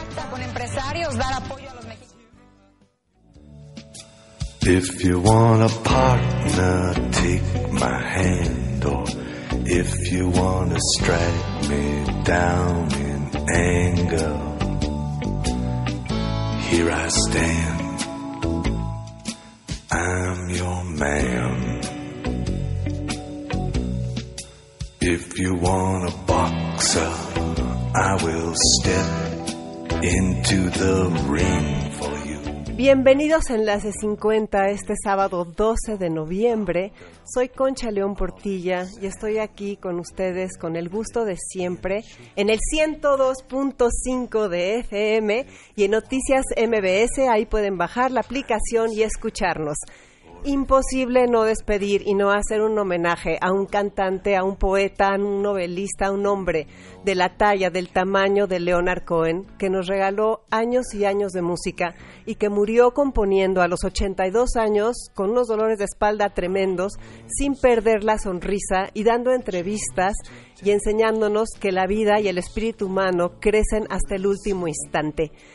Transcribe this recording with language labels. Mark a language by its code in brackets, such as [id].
[es] Con empresarios, dar apoyo a los mexicanos. [en] If you want a partner, take my hand. Or if you want to strike me down in anger, here I stand. I'm your man. If you want a boxer, I will step into the ring for you. [es] Bienvenidos a Enlace 50, este sábado 12 de noviembre. Soy Concha León Portilla y estoy aquí con ustedes con el gusto de siempre en el 102.5 de FM y en Noticias MBS. Ahí pueden bajar la aplicación y escucharnos. Imposible no despedir y no hacer un homenaje a un cantante, a un poeta, a un novelista, a un hombre de la talla, del tamaño de Leonard Cohen, que nos regaló años y años de música y que murió componiendo a los 82 años con unos dolores de espalda tremendos, sin perder la sonrisa y dando entrevistas y enseñándonos que la vida y el espíritu humano crecen hasta el último instante.